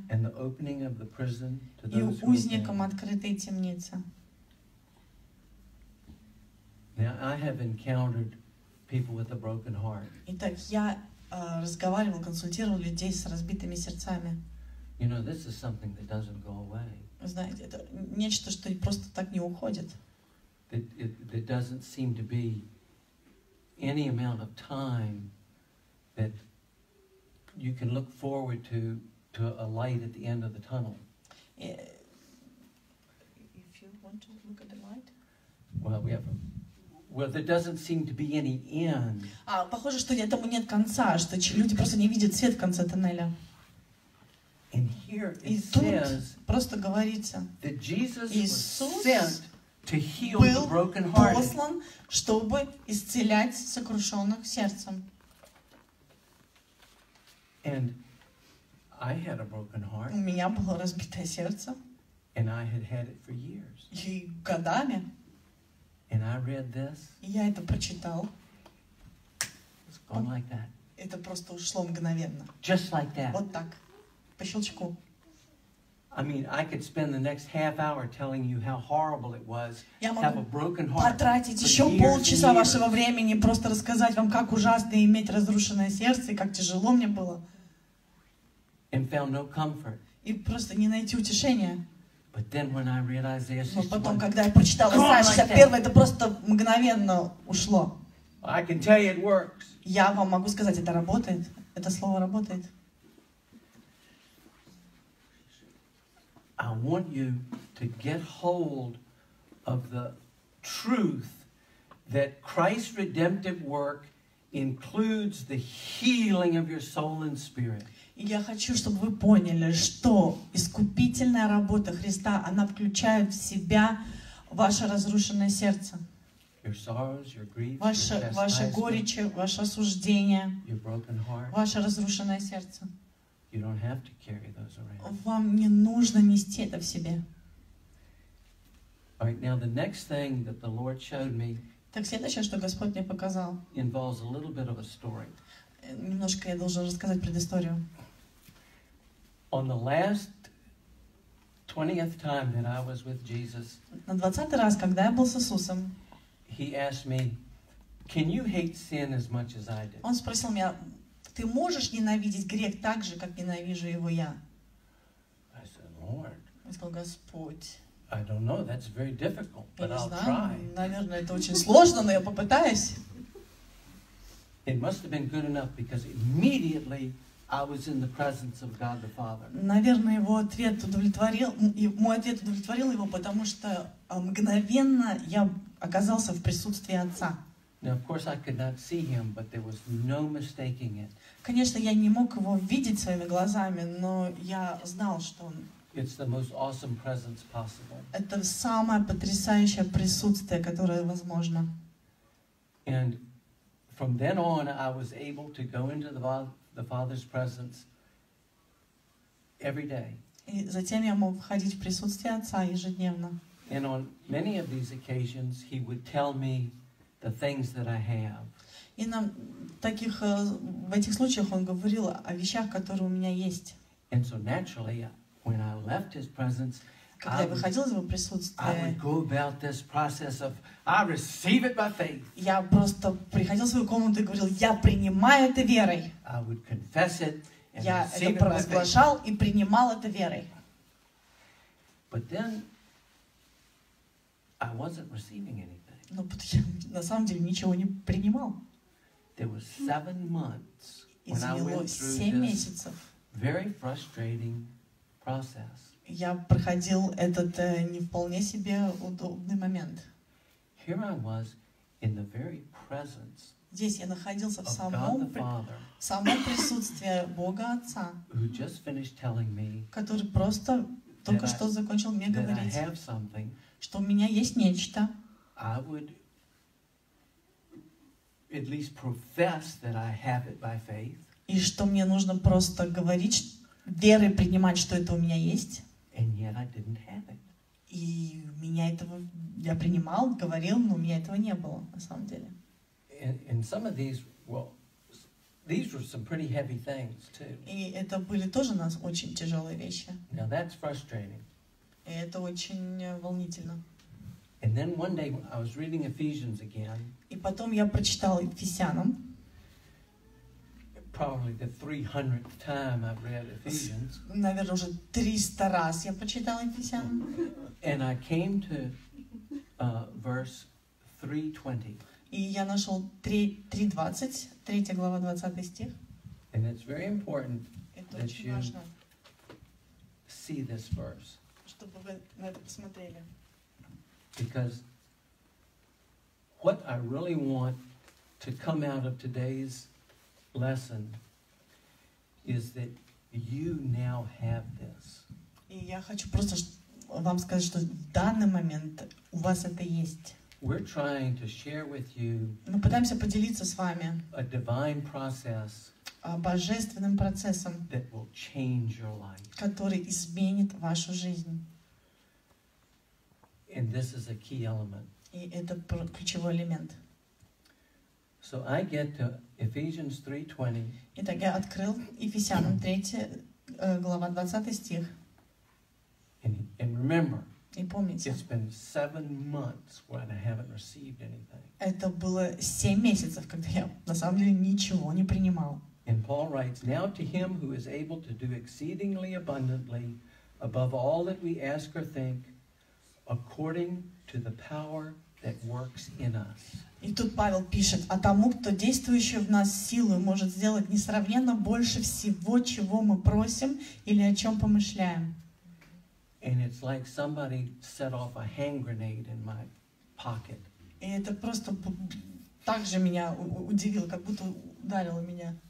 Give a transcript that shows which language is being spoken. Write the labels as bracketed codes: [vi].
[en] And the opening of the prison to those who are bound. [ru] И узникам открытые темницы. [en] Now I have encountered people with a broken heart. [ru] Итак, я разговаривал, консультировал людей с разбитыми сердцами. [en] You know, this is something that doesn't go away. [ru] Знаете, это нечто, что просто так не уходит. [en] It doesn't seem to be any amount of time that you can look forward to a light at the end of the tunnel. If you want to look at the light. Well, we have. Well, there doesn't seem to be any end. [ru] А похоже, что этому нет конца, что люди просто не видят свет в конце тоннеля. [en] And here it says, [ru] просто говорится, [en] that Jesus [ru] Иисус [en] was sent to heal the brokenhearted. [ru] Был послан, чтобы исцелять сокрушенных сердцем. [en] And I had a broken heart. [ru] У меня было разбитое сердце. [en] And I had had it for years. [ru] И годами. [en] And I read this. [ru] Я это прочитал. [en] It's gone like that. [ru] Это просто ушло мгновенно. [en] Just like that. [ru] Вот так. По щелчку. [en] I mean, I could spend the next half hour telling you how horrible it was to have a broken heart. [ru] Я могу потратить еще полчаса вашего времени просто рассказать вам, как ужасно иметь разрушенное сердце и как тяжело мне было. [en] And found no comfort. [ru] И просто не найти утешения. [en] But then when I realized this, [ru] но потом, когда я прочитал Исаия 61, это просто мгновенно ушло. [en] I can tell you it works. [ru] Я вам могу сказать, это работает. Это слово работает. [en] I want you to get hold of the truth that Christ's redemptive work includes the healing of your soul and spirit. [ru] И я хочу, чтобы вы поняли, что искупительная работа Христа, она включает в себя ваше разрушенное сердце. [en] Your sorrows, your grief, [ru] ваше горечи, ваше осуждение, [en] your broken heart. [ru] Ваше разрушенное сердце. [en] You don't have to carry those around. [ru] Вам не нужно нести это в себе. [en] All right, now the next thing that the Lord showed me, [ru] так следующее, что Господь мне показал, [en] involves a little bit of a story. [ru] Немножко я должен рассказать предысторию. [en] On the last 20th time that I was with Jesus, [ru] на 20-й раз, когда я был с Иисусом, [en] he asked me, "Can you hate sin as much as I do?" [ru] Он спросил меня, ты можешь ненавидеть грех так же, как ненавижу его я? [en] I said, "Lord." [ru] Я сказал, Господь. [en] I don't know. That's very difficult, but I'll try. [ru] Наверное, это очень сложно, но я попытаюсь. [en] It must have been good enough because immediately I was in the presence of God the Father. [ru] Наверное, его ответ удовлетворил, и мой ответ удовлетворил его, потому что мгновенно я оказался в присутствии Отца. [en] Now, of course, I could not see him, but there was no mistaking it. [ru] Конечно, я не мог его видеть своими глазами, но я знал, что он. [en] It's the most awesome presence possible. [ru] Это самое потрясающее присутствие, которое возможно. [en] And from then on, I was able to go into the Father's presence every day. [ru] И затем я мог входить в присутствие Отца ежедневно. [en] And on many of these occasions, he would tell me the things that I have. [ru] И нам таких в этих случаях он говорил о вещах, которые у меня есть. [en] And so naturally, when I left his presence, [ru] когда я выходил из его присутствия, [en] I would go about this process of I receive it by faith. [ru] Я просто приходил в свою комнату и говорил: я принимаю это верой. [en] I would confess it and [ru] Я это провозглашал и принимал это верой. [en] But then I wasn't receiving anything. [ru] Но я на самом деле ничего не принимал. [en] There was 7 months when I went through this very frustrating process. [ru] Я проходил этот не вполне себе удобный момент. [en] Here I was in the very presence. [ru] Здесь я находился в самом присутствии Бога Отца, [en] who just finished telling me, [ru] который просто только что закончил мне говорить, что у меня есть нечто. [en] I would at least profess that I have it by faith. [ru] И что мне нужно просто говорить, верой принимать, что это у меня есть. [en] And yet I didn't have it. [ru] И меня этого я принимал, говорил, но у меня этого не было на самом деле. [en] And some of these, well, these were some pretty heavy things too. [ru] И это были тоже у нас очень тяжелые вещи. [en] Now that's frustrating. [ru] И это очень волнительно. [en] And then one day I was reading Ephesians again. [ru] И потом я прочитал Ефесянам. [en] Probably the 300th time I've read Ephesians. [ru] Наверное, уже 300 раз я прочитал Ефесянам. [en] And I came to verse 3:20. [ru] И я нашел 3:20, 3 глава, 20 стих. [en] And it's very important [ru] это [en] that you [ru] важно, [en] see this verse. [ru] Чтобы вы на это посмотрели. [en] Because what I really want to come out of today's lesson is that you now have this. [ru] И я хочу просто вам сказать, что в данный момент у вас это есть. [en] We're trying to share with you. [ru] Мы пытаемся поделиться с вами. [en] A divine process. [ru] Божественным процессом. [en] That will change your life. [ru] Который изменит вашу жизнь. [en] And this is a key element. [ru] И это ключевой элемент. [en] So I get to Ephesians 3:20. [ru] Итак, я открыл Ефесянам 3 глава 20 стих. [en] And remember, [ru] и помните, [en] it's been 7 months when I haven't received anything. [ru] Это было 7 месяцев, когда я на самом деле ничего не принимал. [en] And Paul writes, now to him who is able to do exceedingly abundantly above all that we ask or think, according to the power that works in us. [ru] И тут Павел пишет: а тому, кто действующий в нас силой, может сделать несравненно больше всего, чего мы просим или о чем помышляем. [en] And it's like somebody set off a hand grenade in my pocket. [ru] И это просто так же меня удивило, как будто ударило меня.